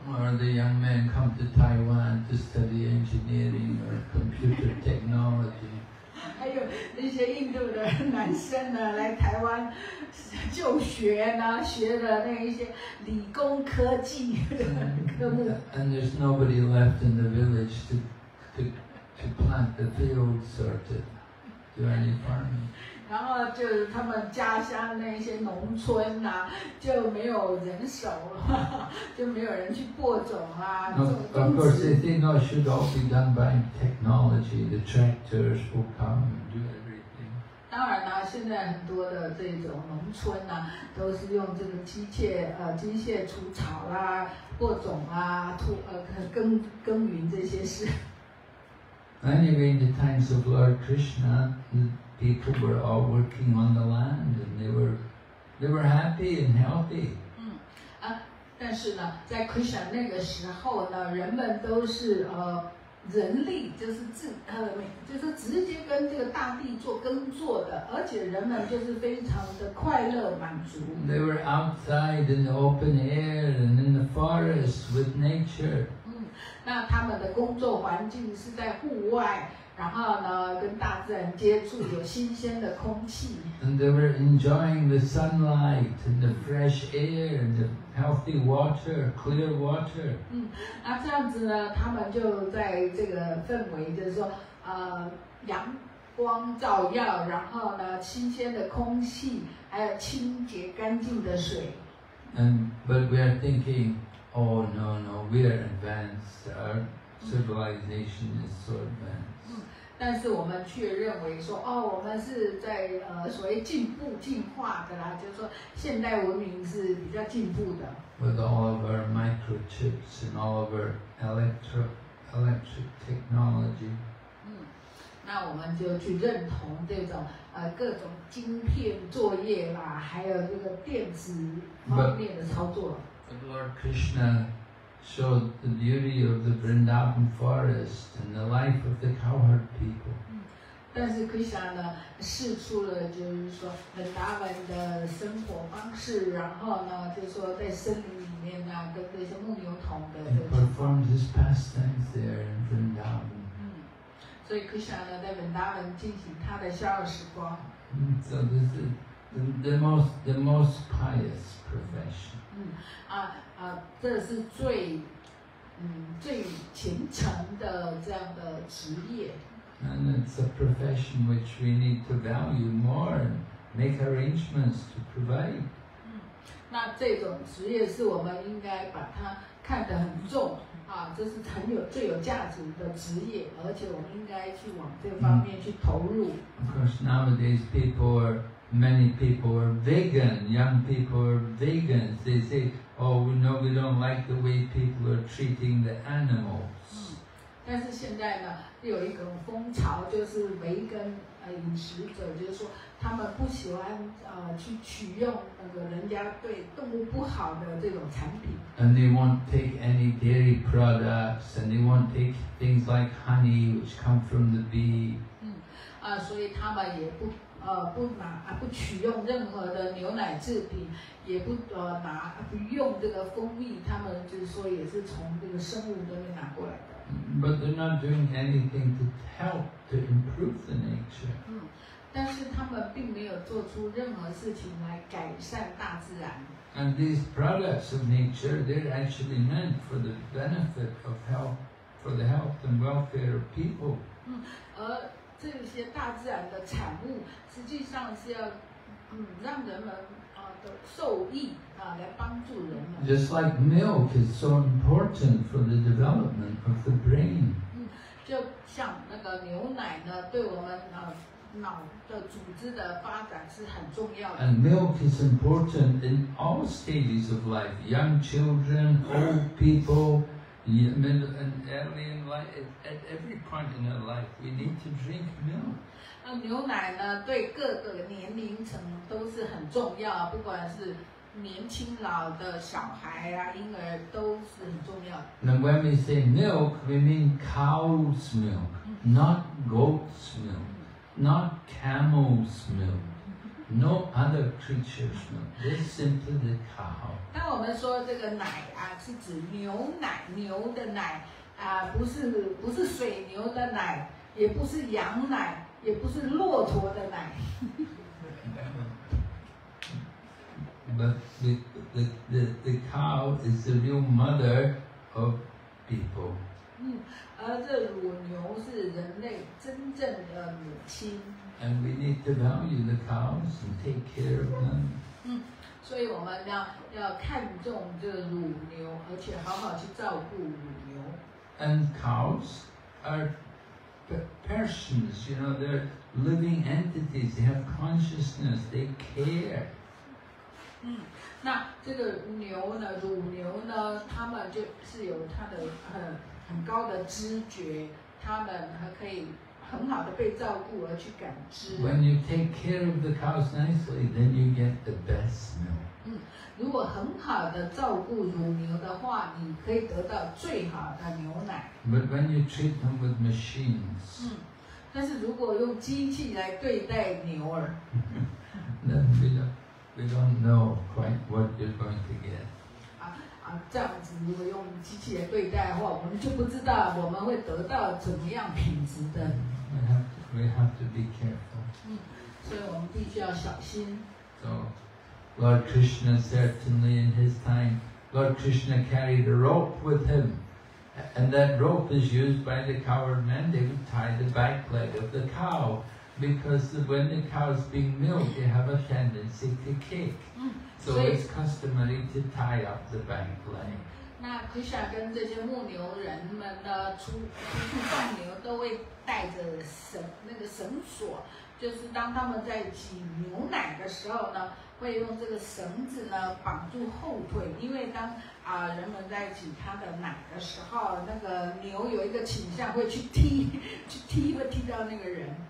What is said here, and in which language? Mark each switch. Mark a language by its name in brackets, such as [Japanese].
[English] Or the young men come to Taiwan to study engineering or computer technology. [Chinese] 还有那些印度的男生呢，来台湾就学呢，学的那一些理工科技科目。 [English] And there's nobody left in the village to plant the fields or to do any farming. [Chinese] 然后就是他们家乡那些农村呐、啊，就没有人手了，就没有人去播种啊。 [English] No, of course, they think that should all be done by technology. The tractors will come and do everything. [Chinese] 当然啦、啊，现在很多的这种农村呐、啊，都是用这个机械机械除草啦、啊、播种啊、耕耘这些事。 [English] Anyway, in the times of Lord Krishna, people were all working on the land, and they were happy and healthy. [Chinese] 但是呢，在 Krishna 那个时候呢，人们都是人力，就是直接跟这个大地做耕作的，而且人们就是非常的快乐满足。 [English] They were outside in the open air and in the forest with nature. [Chinese] 那他们的工作环境是在户外。然后呢，跟大自然接触，有新鲜的空气。 [English] And they were enjoying the sunlight and the fresh air and the healthy water, clear water. [Chinese] 那这样子呢，他们就在这个氛围，就是说，阳光照耀，然后呢，新鲜的空气，还有清洁干净的水。 [English] But we are thinking, oh no no, we are advanced. Our civilization is so advanced. [Chinese] 但是我们却认为说，哦，我们是在所谓进步进化的啦，就是说现代文明是比较进步的。 [English] With all of our microchips and all of our electric technology. [Chinese] 那我们就去认同这种各种晶片作业啦，还有这个电子方面的操作。 [English] But Lord Krishna. Showed the beauty of the Vrindavan forest and the life of the cowherd people. [Chinese] 但是 Krishna 呢，试出了就是说 Vrindavan 的生活方式，然后呢，就是说在森林里面呢，跟那些牧牛童的。 [English] He performed his pastimes there in Vrindavan. [Chinese] 嗯，所以 Krishna 呢，在 Vrindavan 进行他的逍遥时光。 [English] So this is the most pious profession. [Chinese] 嗯啊啊，这是最最虔诚的这样的职业。 [English] And it's a profession which we need to value more and make arrangements to provide. [Chinese] 那这种职业是我们应该把它看得很重啊，这是很有最有价值的职业，而且我们应该去往这方面去投入。 [English] Of course, nowadays many people are vegan. Young people are vegans. They say, "Oh, we know we don't like the way people are treating the animals." [Chinese] 但是现在呢，有一个风潮，就是维根饮食者，就是说他们不喜欢去取用那个人家对动物不好的这种产品。 [English] And they won't take any dairy products, and they won't take things like honey, which come from the bee. [Chinese] 所以他们也不取用任何的牛奶制品，也不用这个蜂蜜，他们就是说也是从这个生物那边拿过来的。 [English] But they're not doing anything to help to improve the nature. [Chinese] 但是他们并没有做出任何事情来改善大自然。 [English] And these products of nature, they're actually meant for the benefit of health, for the health and welfare of people. [Chinese] 而这些大自然的产物实际上是要让人们受益，来帮助人们。 [English] Just like milk is so important for the development of the brain. [Chinese] 就像那个牛奶呢，对我们脑的组织的发展是很重要的。 [English] And milk is important in all stages of life, young children, old people, middle and early in life. At every point in our life, we need to drink milk. [Chinese] 那牛奶呢？对各个年龄层都是很重要，不管是年轻老的小孩啊、婴儿都是很重要的。 [English] And when we say milk, we mean cow's milk, not goat's milk, not camel's milk, no other creature's milk. This is simply the cow. [Chinese] 当我们说这个奶啊，是指牛奶，牛的奶啊，不是水牛的奶，也不是羊奶。也不是骆驼的奶。 [English] But the cow is the real mother of people. [Chinese] 而这乳牛是人类真正的母亲。 [English] And we need to value the cows and take care of them. [Chinese] 所以我们要看重这乳牛，而且好好去照顾乳牛。 [English] And cows are. Persons, you know, they're living entities. They have consciousness. They care. [Chinese] 那这个牛呢，乳牛呢，他们就是有他的很高的知觉，他们还可以很好的被照顾而去感知。 [English] When you take care of the cows nicely, then you get the best milk. [Chinese] 如果很好的照顾乳牛的话，你可以得到最好的牛奶。 [English] But when you treat them with machines, [Chinese] 但是如果用机器来对待牛儿 [English] ，then we don't know quite what you're going to get. [Chinese] 这样子如果用机器来对待的话，我们就不知道我们会得到怎么样品质的。 [English] We have to be careful. [Chinese] 所以我们必须要小心。 [English] So, Lord Krishna certainly in his time, Lord Krishna carried a rope with him. And that rope is used by the coward men. They would tie the back leg of the cow because when the cow is being milked, they have a tendency to kick. So it's customary to tie up the back leg. [Chinese] 那 Krishna 跟这些牧牛人们的出放牛都会带着绳索，就是当他们在挤牛奶的时候呢，会用这个绳子呢绑住后腿，因为当人们在挤他的奶的时候，那个牛有一个倾向会去踢，会踢到那个人。